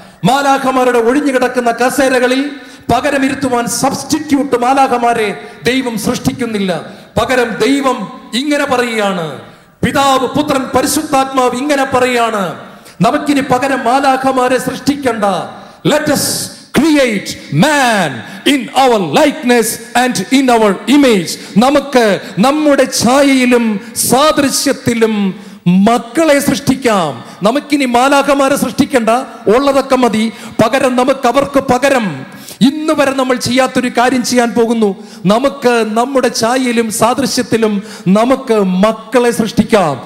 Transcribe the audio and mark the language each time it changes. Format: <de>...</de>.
<ml>മാലാഖമാരുടെ ഒഴിഞ്ഞു കിടക്കുന്ന കസേരകളിൽ പകരമിരുത്തുവാൻ സബ്സ്റ്റിറ്റ്യൂട്ട് മാലാഖമാരെ ദൈവം സൃഷ്ടിക്കുന്നില്ല. പകരം ദൈവം ഇങ്ങനെ പറയുകയാണ്, പിതാവ് പുത്രൻ പരിശുദ്ധാത്മാവ് ഇങ്ങനെ പറയുകയാണ്, നമുക്കിന് പകരം മാലാഖമാരെ സൃഷ്ടിക്കണ്ട.</ml> <en>Let us create man in our likeness and in our image.</en> <ml>നമുക്ക് നമ്മുടെ ഛായയിലും സാദൃശ്യത്തിലും മക്കളെ സൃഷ്ടിക്കാം. നമുക്കിനി മാലാഖമാരെ സൃഷ്ടിക്കണ്ട, ഉള്ളതൊക്കെ മതി. പകരം നമുക്ക് അവർക്ക് പകരം ഇന്ന് വരെ നമ്മൾ ചെയ്യാത്തൊരു കാര്യം ചെയ്യാൻ പോകുന്നു, നമുക്ക് നമ്മുടെ ഛായയിലും സാദൃശ്യത്തിലും നമുക്ക് മക്കളെ സൃഷ്ടിക്കാം.</ml>